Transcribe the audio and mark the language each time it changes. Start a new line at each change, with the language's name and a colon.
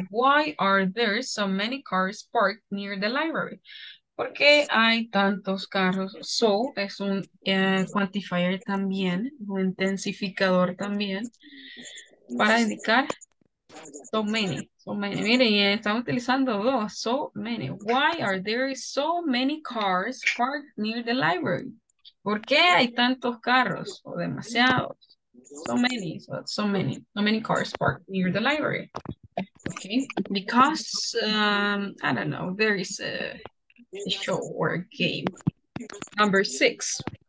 English: Why are there so many cars parked near the library?
Spanish: ¿Por qué hay tantos carros? So es un quantifier también, un intensificador también, para indicar so many. Miren, estamos utilizando dos, so many.
English: Why are there so many cars parked near the library?
Spanish: ¿Por qué hay tantos carros? O demasiados.
English: So many cars parked near the library. Okay. Because, I don't know, there is a show or a game. Number six.